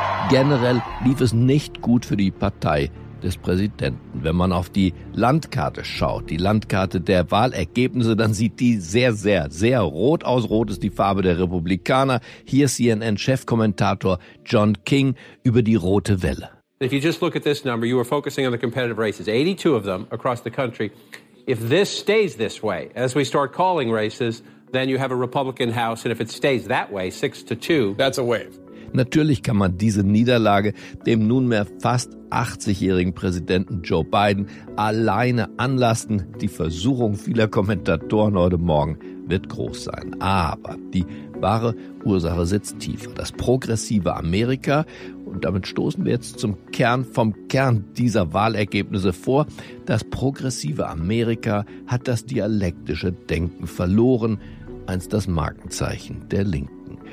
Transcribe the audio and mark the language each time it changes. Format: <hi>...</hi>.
<de>Generell lief es nicht gut für die Partei des Präsidenten. Wenn man auf die Landkarte schaut, die Landkarte der Wahlergebnisse, dann sieht die sehr, sehr, sehr rot aus. Rot ist die Farbe der Republikaner. Hier CNN-Chefkommentator John King über die rote Welle.</de> <en>If you just look at this number, you were focusing on the competitive races, 82 of them across the country. If this stays this way, as we start calling races, then you have a Republican House, and if it stays that way, 6-2, that's a wave.</en> <de>Natürlich kann man diese Niederlage dem nunmehr fast 80-jährigen Präsidenten Joe Biden alleine anlasten. Die Versuchung vieler Kommentatoren heute Morgen wird groß sein. Aber die wahre Ursache sitzt tiefer. Das progressive Amerika, und damit stoßen wir jetzt zum Kern vom Kern dieser Wahlergebnisse vor, das progressive Amerika hat das dialektische Denken verloren, einst das Markenzeichen der Linken.</de>